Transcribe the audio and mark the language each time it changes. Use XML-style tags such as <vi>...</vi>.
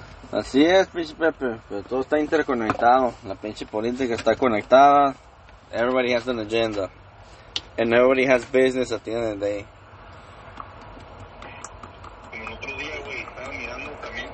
<es>Así es, pinche Pepe, pero todo está interconectado. La pinche política está conectada.</es> <en>Everybody has an agenda. And everybody has business at the end of the day.</en> <es>Como el otro día, güey, estaba mirando también.</es>